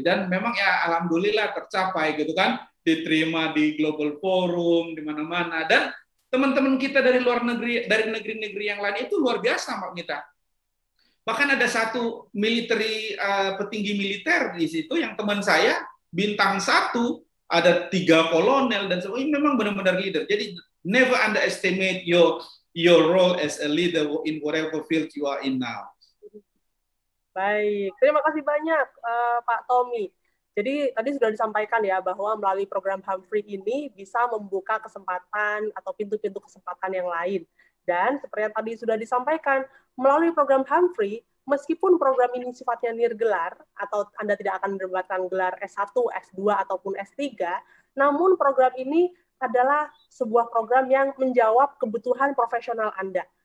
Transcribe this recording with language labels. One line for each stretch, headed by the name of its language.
Indonesian: Dan memang ya, alhamdulillah tercapai, gitu kan. Diterima di Global Forum, di mana-mana. Dan teman-teman kita dari luar negeri, dari negeri-negeri yang lain itu luar biasa, Mbak Mita. Bahkan ada satu military, petinggi militer di situ yang teman saya, bintang satu, ada tiga kolonel dan sebagainya, memang benar-benar leader.
English: Jadi never underestimate your role as a leader in whatever field you are in now.
Indonesian: Baik, terima kasih banyak Pak Tommy. Jadi tadi sudah disampaikan ya bahwa melalui program Humphrey ini bisa membuka kesempatan atau pintu-pintu kesempatan yang lain. Dan seperti yang tadi sudah disampaikan, melalui program Humphrey, meskipun program ini sifatnya nirgelar atau Anda tidak akan mendapatkan gelar S1, S2, ataupun S3, namun program ini adalah sebuah program yang menjawab kebutuhan profesional Anda.